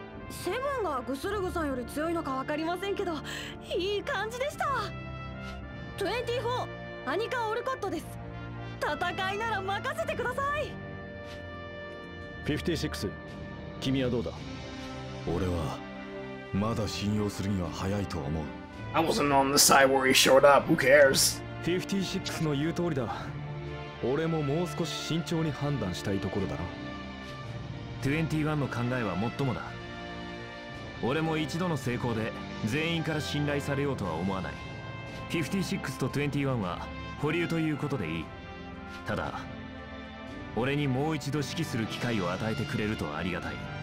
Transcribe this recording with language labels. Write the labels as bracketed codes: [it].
[ja] Seven がグスルグさんより強いのかわかりませんけど、いい感じでした。 24, Anika Olcott です。戦いなら任せてください。 56, 君はどうだ? 俺は まだ信用するには早いと思う。 [en] I wasn't on the side where he showed up, who cares? [ja] 56 の言う通りだ。俺ももう少し慎重に判断したいところだろ。 21 の考えは最もだ。俺も一度の成功で全員から信頼されようとは思わない。 56 と 21 は保留ということでいい。ただ 俺にもう一度指揮する機会を与えてくれるとありがたい。